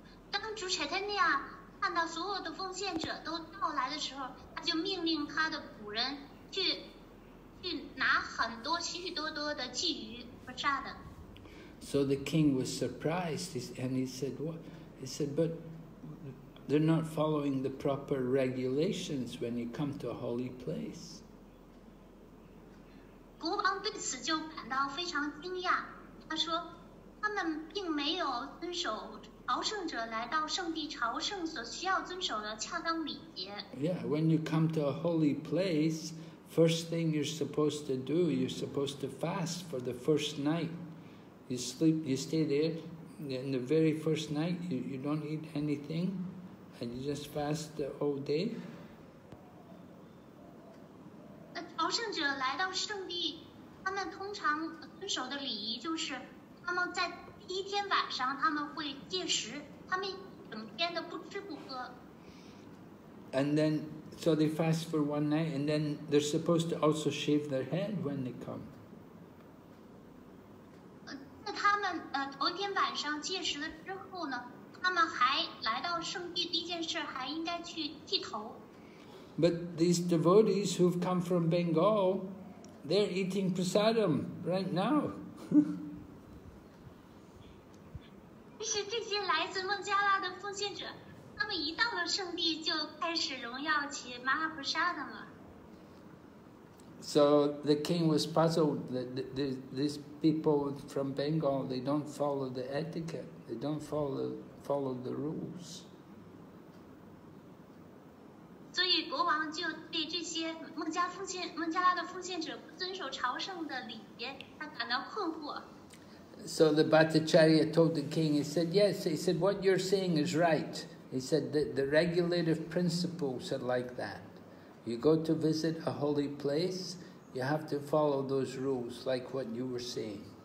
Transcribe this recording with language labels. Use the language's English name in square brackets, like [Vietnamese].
[Chinese] 当主 Chaitanya 看到所有的奉献者都到来的时候，他就命令他的仆人去拿很多许许多多的鲫鱼 prasadam. [English] So the king was surprised, and he said, what? He said, but... they're not following the proper regulations when you come to a holy place. [Chinese] 国王对此就感到非常惊讶，他说他们并没有遵守朝圣者来到圣地朝圣所需要遵守的恰当礼节。 [English] Yeah, when you come to a holy place, first thing you're supposed to do, you're supposed to fast for the first night. You sleep, you stay there, and the very first night you don't eat anything. And you just fast the whole day? [Chinese] 朝圣者来到圣地，他们通常遵守的礼仪就是，他们在第一天晚上他们会戒食，他们整天都不吃不喝。 [English] And then, so they fast for one night, and then they're supposed to also shave their head when they come. [Chinese] 那他们头一天晚上戒食了之后呢？他们还来到圣地，第一件事还应该去剃头。 [English] But these devotees who've come from Bengal, they're eating prasadam right now. [Chinese] 是这些来自孟加拉的奉献者，他们一到了圣地就开始荣耀起 Mahaprasadam 了。 [English] So the king was puzzled that these people from Bengal, they don't follow the etiquette, they don't follow the rules. [Chinese] 所以国王就对这些孟加拉的奉献者不遵守朝圣的礼节，他感到困惑。 [English] So the Bhattacharya told the king, he said, yes, he said, what you're saying is right. He said, the regulative principles are like that. You go to visit a holy place, you have to follow those rules, like what you were saying.